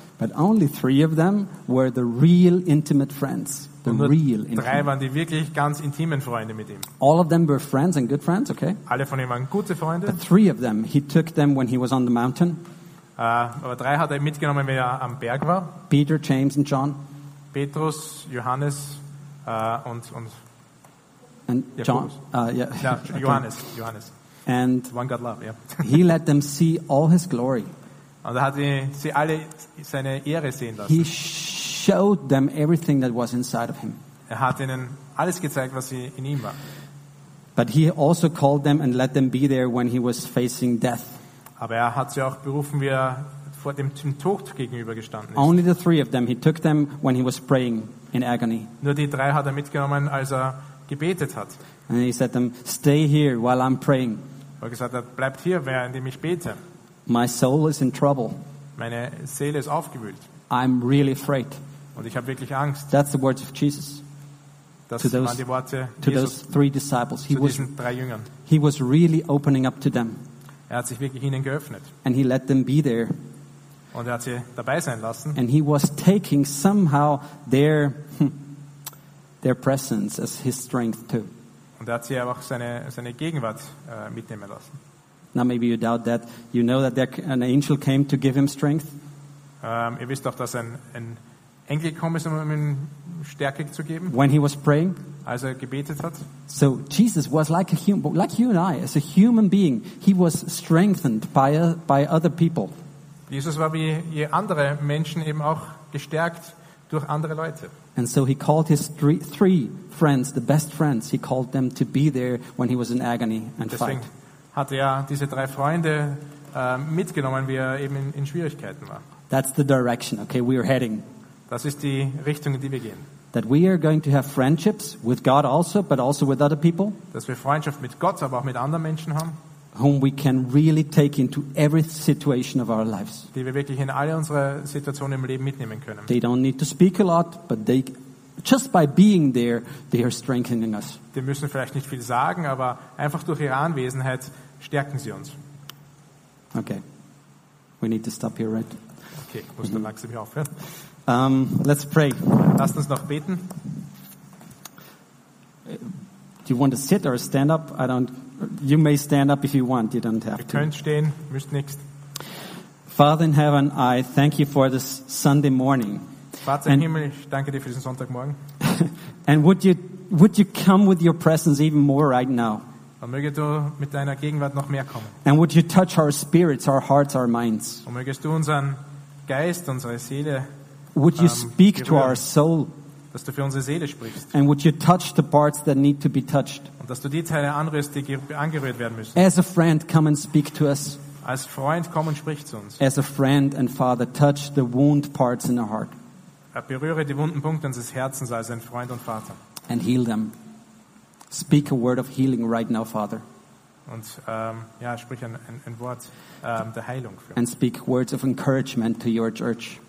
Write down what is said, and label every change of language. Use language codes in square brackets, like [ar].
[en] But only 3 of them were the real intimate friends. The real intimate. [de] 3 waren die wirklich ganz intimen Freunde mit ihm. [en] All of them were friends and good friends, okay? [de] Alle von ihm waren gute Freunde. [en] But 3 of them, he took them when he was on the mountain. [de] Aber 3 hat er mitgenommen, wenn er am Berg war. [en] Peter, James and John. [de] Petrus, Johannes und [en] and John, [de] Johannes. Okay. Johannes. [en] And one God love, yeah. He let them see all his glory. [de] Und er hat sie alle seine Ehre sehen lassen. [en] He showed them everything that was inside of him. [de] Er hat ihnen alles gezeigt, was in ihm war. [en] But he also called them and let them be there when he was facing death. [de] Aber er hat sie auch berufen, wie er vor dem Tod gegenüber gestanden ist. [en] Only the 3 of them. He took them when he was praying in agony. [de] Nur die 3 hat er mitgenommen, als er gebetet hat. [en] And he said to them, stay here while I'm praying. [de] Er gesagt hat, bleibt hier, während ich bete. [en] My soul is in trouble. [de] Meine Seele ist aufgewühlt. [en] I'm really afraid. [de] Und ich habe wirklich Angst. [en] That's the words of Jesus. [de] Das waren die Worte Jesus. [en] To those 3 disciples. He was, [de] 3 Jüngern. [en] He was really opening up to them. [de] Er hat sich wirklich ihnen geöffnet. [en] And he let them be there. [de] Und er hat sie dabei sein lassen. [en] And he was taking somehow their presence as his strength too. [de] Und er hat sie auch seine Gegenwart mitnehmen lassen. [en] Now maybe you doubt that. You know that an angel came to give him strength. [de] Ihr wisst doch, dass ein Engel gekommen ist, um ihm Stärke zu geben. [en] When he was praying. [de] Als er gebetet hat. [en] So Jesus was like a human, like you and I, as a human being. He was strengthened by other people. [de] Jesus war wie andere Menschen eben auch gestärkt durch andere Leute. [en] And so he called his 3 friends, the best friends, he called them to be there when he was in agony and [de] deswegen [en] fight. [de] Hat er diese 3 Freunde mitgenommen, wie er eben in Schwierigkeiten war. [en] That's the direction, okay, we are heading. [de] Das ist die Richtung, in die wir gehen. [en] That we are going to have friendships with God also, but also with other people. [de] Dass wir Freundschaft mit Gott, aber auch mit anderen Menschen haben. [en] Whom we can really take into every situation of our lives. [de] Die wir wirklich in alle unsere Situationen im Leben mitnehmen können. [en] They don't need to speak a lot, but they just by being there, they are strengthening us. [de] Die müssen vielleicht nicht viel sagen, aber einfach durch ihre Anwesenheit stärken sie uns. [en] Okay. We need to stop here, right? [de] Okay, ich muss dann langsam hier aufhören. [en] Let's pray. [de] Lasst uns noch beten. [en] Do you want to sit or stand up? I don't. You may stand up if you want. You don't have to. [de] Ihr könnt stehen, müsst nichts. [en] Father in heaven, I thank you for this Sunday morning. [de] Vater im Himmel, ich danke dir für diesen Sonntagmorgen. [en] And would you come with your presence even more right now? [de] Und mögest du mit deiner Gegenwart noch mehr kommen. [en] And would you touch our spirits, our hearts, our minds? [de] Und mögest du unseren Geist, unsere Seele. [en] Would you speak to our soul? [de] Dass du für unsere Seele sprichst. [en] And would you touch the parts that need to be touched? [de] Und dass du die Teile anrührst, die angerührt werden müssen. [en] As a friend, come and speak to us. [de] Als Freund, komm und sprich zu uns. [en] As a friend and father, touch the wound parts in our heart. [de] Berühre die wunden Punkte unseres Herzens als ein Freund und Vater. [en] And heal them. Speak a word of healing right now, Father. [de] Und ja, sprich ein Wort der Heilung. Für [en] and speak words of encouragement to your church.